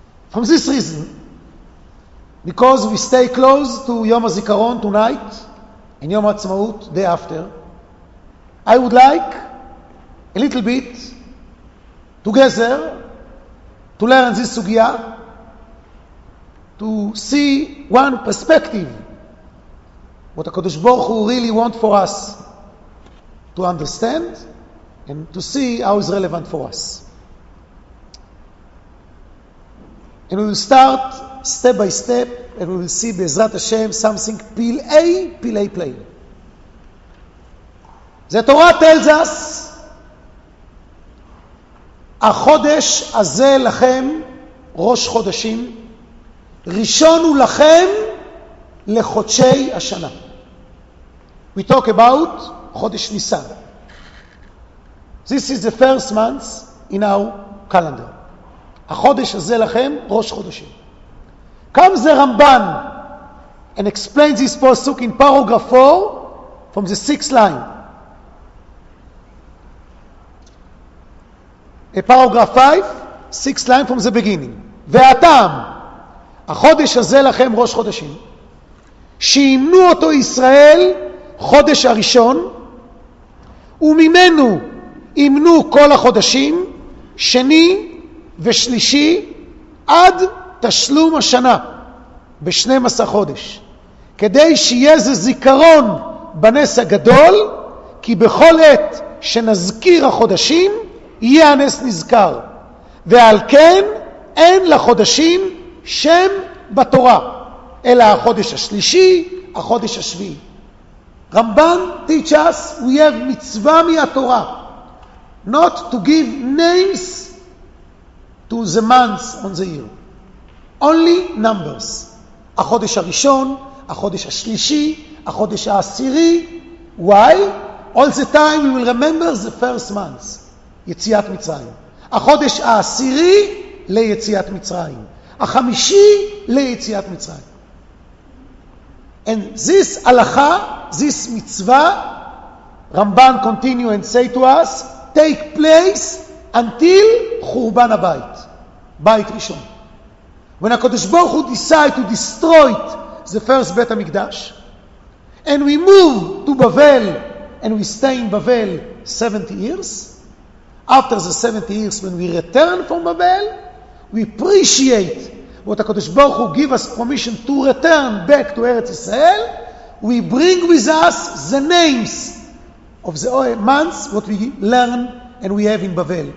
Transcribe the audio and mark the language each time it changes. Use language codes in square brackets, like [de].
[en] From this reason, because we stay close to Yom HaZikaron tonight, and Yom HaTzmaut day after, I would like a little bit together to learn this sugya, to see one perspective what HaKadosh Baruch Hu really want for us to understand and to see how it's relevant for us. And we will start step by step and we will see Be'ezrat Hashem something pil-a plain. The Torah tells us [he] החודש הזה לכם ראש חודשים ראשון הוא לכם לחודשי השנה. [en] We talk about [he] חודש ניסן. [en] This is the first month in our calendar. [he] החודש הזה לכם ראש חודשים. [en] Comes the Ramban and explains this pasuk in paragraph 4 from the sixth line. A paragraph 5, 6 lines from the beginning. [he] והטעם, החודש הזה לכם ראש חודשים, שימנו אותו ישראל חודש הראשון, וממנו ימנו כל החודשים, שני ושלישי, עד תשלום השנה, ב-12 חודש. כדי שיהיה זה זיכרון בנס הגדול, כי בכל עת שנזכיר החודשים, יהיה הנס נזכר. ועל כן, אין לחודשים שם בתורה, אלא החודש השלישי, החודש השביעי. [en] Ramban teach us, we have [he] מצווה מהתורה, [en] not to give names to the months on the year. Only numbers. [he] החודש הראשון, החודש השלישי, החודש העשירי. [en] Why? All the time you will remember the first months. [he] יציאת מצרים. החודש העשירי ליציאת מצרים. החמישי ליציאת מצרים. [en] And this הלכה, this מצווה, Ramban continue and say to us, take place until [he] חורבן הבית. בית ראשון. [en] When [he] הקדוש ברוך הוא [en] decide to destroy the first [he] בית המקדש, [en] and we move to Babel, and we stay in Babel 70 years, after the 70 years when we return from Babel, we appreciate what HaKadosh Baruch Hu give us permission to return back to Eretz Yisrael, we bring with us the names of the months what we learn and we have in Babel.